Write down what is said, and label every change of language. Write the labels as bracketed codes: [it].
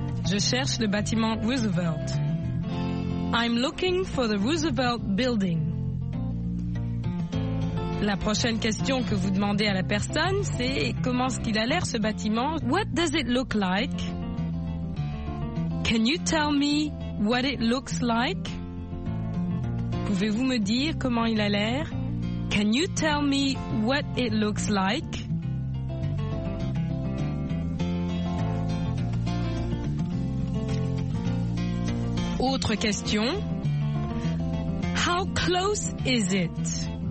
[fr] Je cherche le bâtiment Roosevelt. [en] I'm looking for the Roosevelt Building. [fr] La prochaine question que vous demandez à la personne, c'est comment est-ce qu'il a l'air ce bâtiment? [en] What does it look like? Can you tell me what it looks like? [fr] Pouvez-vous me dire comment il a l'air? [en] Can you tell me what it looks like? [fr] Autre question. [en] How close is it?